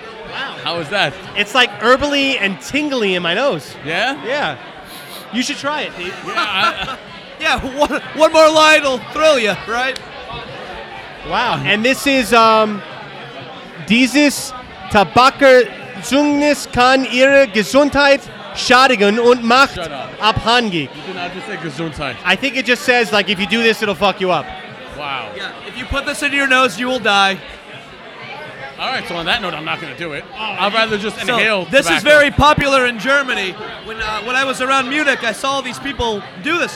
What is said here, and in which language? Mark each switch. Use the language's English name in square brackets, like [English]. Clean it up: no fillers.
[English] Wow. How is that? It's like herbally and tingly in my nose. Yeah? Yeah. You should try it, Pete. Yeah, one more line will thrill you, right? Wow. And this is [German] dieses Tabakerzeugnis kann Ihre Gesundheit schadigen und macht abhängig. [English] You did not just say Gesundheit. I think it just says, like, if you do this, it'll fuck you up. Wow. Yeah, if you put this into your nose, you will die. All right, so on that note, I'm not going to do it. I'd rather just inhale this tobacco. Is very popular in Germany. When I was around Munich, I saw these people do this.